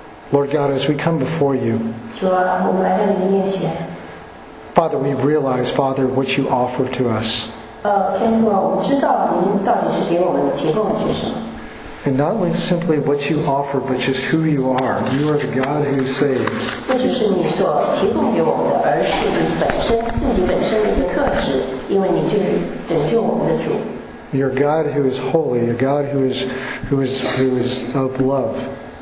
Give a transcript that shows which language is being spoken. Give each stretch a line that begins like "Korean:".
English: Lord God, as we come before you, Father, we realize, Father, what you offer to us.
Chinese: 天父啊，我们知道您到底是给我们提供了些什么。
English: And not only simply what you offer, but just who you are. You are the God who saves. You're a God who is holy, a God who is of love.